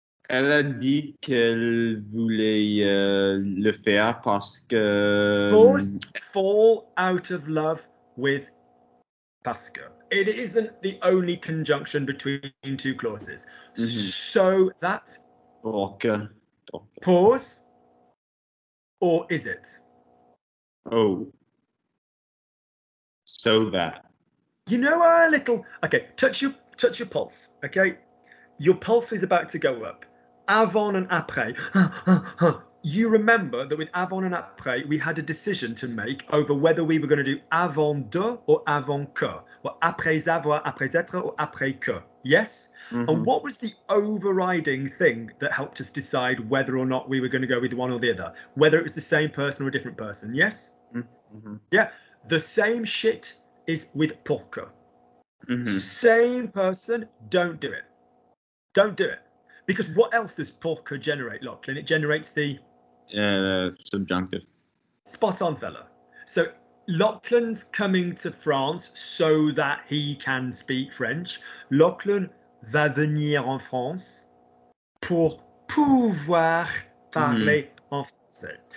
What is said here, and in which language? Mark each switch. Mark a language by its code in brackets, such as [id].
[fr] Elle a dit qu'elle voulait le faire parce que... [en] Fall out of love with parce que. It isn't the only conjunction between two clauses. Mm-hmm. So that. Okay. Pause. Or is it? Oh. So that. You know a little. Okay. Touch your pulse. Okay. Your pulse is about to go up. Avant and après. You remember that with avant and après, we had a decision to make over whether we were going to do avant de or avant que. Well, après avoir, après être, or après que. Yes? Mm-hmm. And what was the overriding thing that helped us decide whether or not we were going to go with one or the other? Whether it was the same person or a different person. Yes? Mm-hmm. Yeah. The same shit is with pour que. Mm-hmm. Same person, don't do it. Don't do it. Because what else does pour que generate, Lachlan? It generates the... Subjunctive. Spot on, fella. So... Lachlan's coming to France so that he can speak French. [fr] Lachlan va venir en France pour pouvoir parler en français.